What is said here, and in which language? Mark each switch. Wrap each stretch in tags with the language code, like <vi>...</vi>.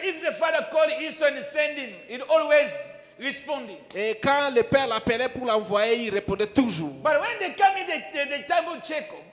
<en>If the father called Esau and sent him, he always responding.</en> <fr>Et quand le père l'appelait pour l'envoyer, il répondait toujours.</fr> <en>But when they come in the time of Jacob.</en>